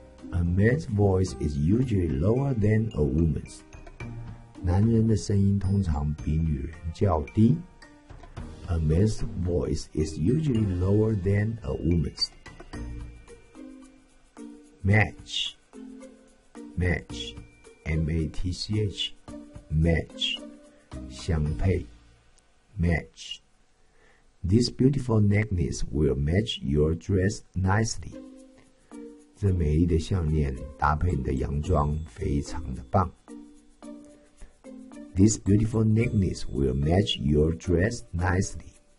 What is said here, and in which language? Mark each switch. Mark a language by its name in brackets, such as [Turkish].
[English] A man's voice is usually lower than a woman's. [Chinese] 男人的声音通常比女人较低。 [English] A man's voice is usually lower than a woman's. Match, M-A-T-C-H, match, 相配 match. This beautiful necklace will match your dress nicely. [Chinese] 这美丽的项链搭配你的洋装非常的棒。 [English] This beautiful necklace will match your dress nicely.